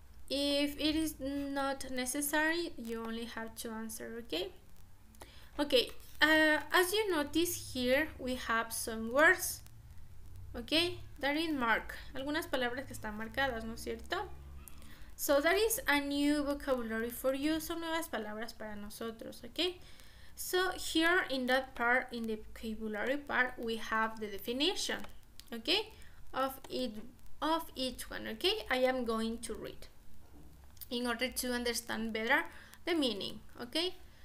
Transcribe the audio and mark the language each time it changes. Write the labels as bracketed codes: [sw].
[en] If it is not necessary, you only have to answer, okay? Okay, As you notice here, we have some words, okay, that is marked. [es] Algunas palabras que están marcadas, ¿no es cierto? [en] So that is a new vocabulary for you. [es] Son nuevas palabras para nosotros, [en] okay? So here in that part, in the vocabulary part, we have the definition, okay, of each one, okay? I am going to read in order to understand better the meaning, okay?